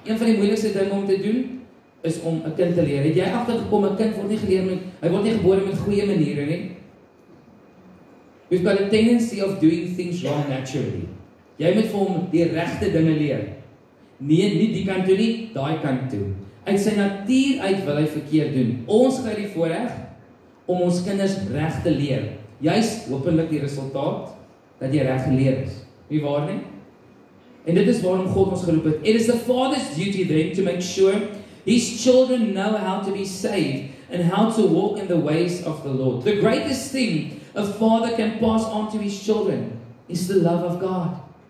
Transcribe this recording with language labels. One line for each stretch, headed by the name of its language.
Afrikaans: Een van die moeilikste dinge om te doen is om 'n kind te leer. Het jy agtergekom 'n kind word nie geleer met hy word nie gebore met goeie maniere nie.
English: We've got a tendency of doing things wrong naturally.
Afrikaans: Jy moet vir hom die regte dinge leer. Nee, nie die kant toe nie, daai kant toe. Uit sy natuur uit wil hy verkeerd doen. Ons kry die voorreg om ons kinders reg te leer. Juist hopelik die resultaat dat jy reg geleer is. Nie waar nie? En dit is waarom God ons geroep het.
English: It is the father's duty then to make sure his children know how to be saved and how to walk in the ways of the Lord. The greatest thing a father can pass on to his children is the love of God.